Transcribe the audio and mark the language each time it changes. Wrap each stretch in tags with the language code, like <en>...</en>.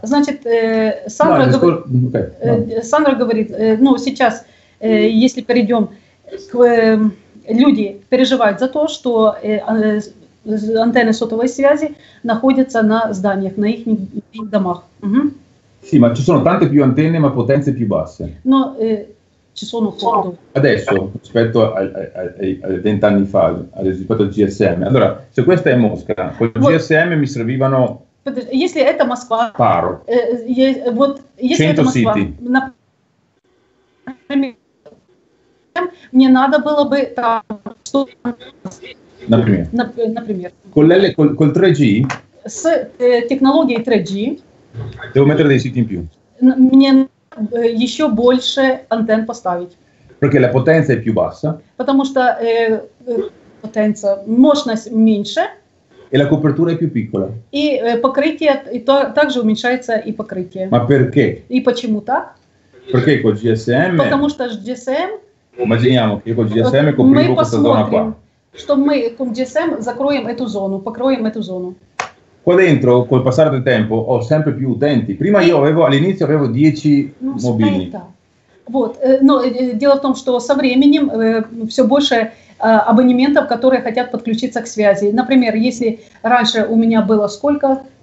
<ru>Значит, Сандра, Сандра говорит, ну, сейчас, если перейдем, люди переживают за то, что антенны сотовой связи находятся на зданиях, на их домах. Угу.</ru> <it>Sì, ma ci sono tante più antenne, ma potenze più basse. No, ci sono quanto? Adesso, rispetto ai 20 anni fa, rispetto al GSM. Allora, se questa è Mosca, con il GSM mi servivano...</it> <ru>Если это Москва... Paro. Вот, если это Москва... 100 city. Мне надо было бы там... Например? Например.</ru> <it>Col 3G?</it> <ru>С технологией 3G...</ru> <it>Devo mettere dei siti in più.</it> <ru>Мне еще больше антенн поставить.</ru> <it>Perché la potenza è più bassa.</it> <ru>Потому что потенция, мощность меньше.</ru> <it>E la copertura è più piccola.</it> <ru>И покрытие, и то, также уменьшается и покрытие.</ru> <it>Ma perché?</it> <ru>И почему так?</ru> <it>Perché col GSM?</it> <ru>Потому что GSM.</ru> <it>Immaginiamo che col GSM copriamo questa zona qua.</it> <ru>Что мы con GSM закроем эту зону, покроем эту зону.</ru> <it>Qua dentro, col passare del tempo, ho sempre più utenti. Prima io avevo, all'inizio avevo 10 mobili.</it> <ru>Вот, но дело в том, что со временем все больше абонементов, которые хотят подключиться к связи. Например, если раньше у меня было сколько?</ru>